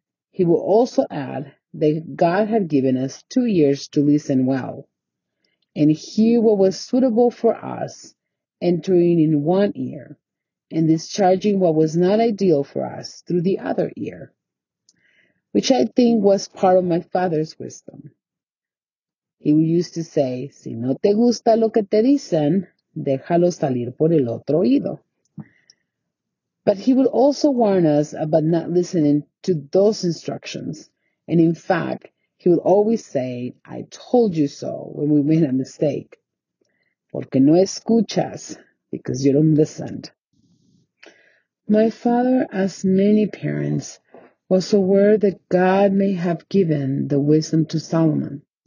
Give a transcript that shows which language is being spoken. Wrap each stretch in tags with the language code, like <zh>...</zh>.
<en>He will also add that God had given us 2 years to listen well and hear what was suitable for us, entering in one ear and discharging what was not ideal for us through the other ear, which I think was part of my father's wisdom. He used to say,</en> <es>si no te gusta lo que te dicen, déjalo salir por el otro oído.</es> <en>But he would also warn us about not listening to those instructions. And in fact, he would always say, I told you so, when we made a mistake.</en> <es>Porque no escuchas,</es> <en>because you don't listen. My father, as many parents, was aware that God may have given the wisdom to Solomon.</en>